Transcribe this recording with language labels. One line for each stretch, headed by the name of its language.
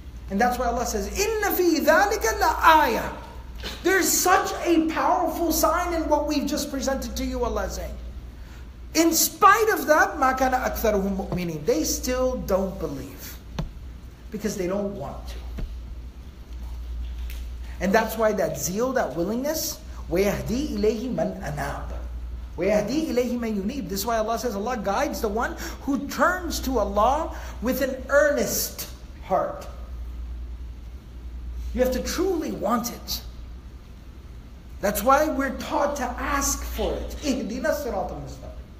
English: And that's why Allah says,
Arabic: إِنَّ فِي ذَٰلِكَ لَآيَةٌ.
English: There's such a powerful sign in what we've just presented to you, Allah is saying. In spite of that,
Arabic: مَا كَانَ أَكْثَرُهُمْ مُؤْمِنِينَ.
English: They still don't believe. Because they don't want to. And that's why that zeal, that willingness,
Arabic: وَيَهْدِي إِلَيْهِ مَنْ أَنَابَ وَيَهْدِي إِلَيْهِ مَنْ يُنِيبَ.
English: This is why Allah says, Allah guides the one who turns to Allah with an earnest heart. You have to truly want it. That's why we're taught to ask for it.
Arabic: اِهْدِنَا الصِّرَاطَ الْمُسْتَقِيمَ.